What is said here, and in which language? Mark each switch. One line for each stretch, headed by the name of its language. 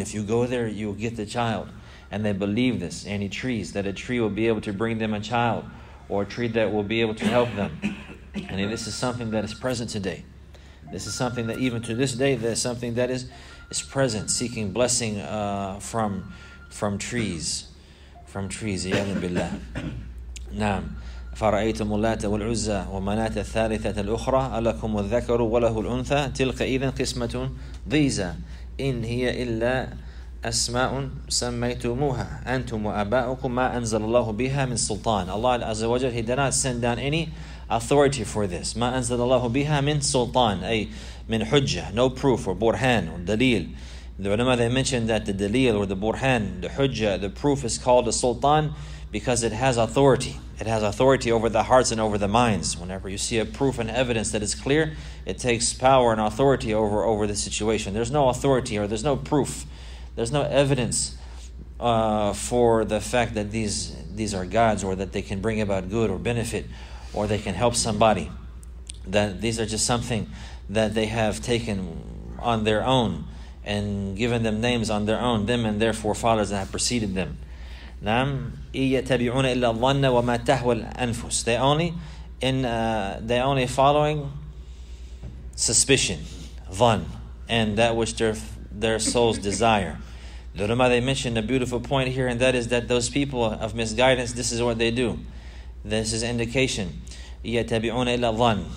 English: If you go there, you'll get the child. And they believe this, any trees, that a tree will be able to bring them a child, or a tree that will be able to help them. And this is something that is present today. This is something that even to this day, there's something that is present, seeking blessing from trees. From trees, iyadhu billah. Naam.
Arabic: فَرَأَيْتُمُ اللَّاتَ وَالْعُزَّى وَمَنَاتَ الثَّالِثَةَ الْأُخْرَى أَلَكُمُ الذَّكَرُ وَلَهُ الْأُنْثَى تِلْقَ إِذًا قِسْمَةٌ ضِيزَى إِنْ هِيَ إِلَّا أسماء سميتموها أنتم وأباؤكم ما أنزل الله بها من سلطان.
English: Allah Azza wa Jalla, He did not send down any authority for this.
Arabic: ما أنزل الله بها من سلطان, أي من حجة,
English: no proof or burhan or
Arabic: دليل.
English: The ulama, they mentioned that the دليل or the burhan, the حجة, the proof is called a سلطان because it has authority. It has authority over the hearts and over the minds. Whenever you see a proof and evidence that is clear, it takes power and authority over the situation. There's no authority or there's no proof. There's no evidence for the fact that these are gods, or that they can bring about good or benefit, or they can help somebody. That these are just something that they have taken on their own and given them names on their own, them and their forefathers that have preceded them.
Arabic: نعم يتبعون إلا الظن وما تهوى الأنفس.
English: They only following suspicion, ظن, and that which their souls desire. The ulama, they mentioned a beautiful point here, and that is that those people of misguidance, this is what they do. This is indication.
Arabic: يَتَبِعُونَ إِلَّا ظَنْ.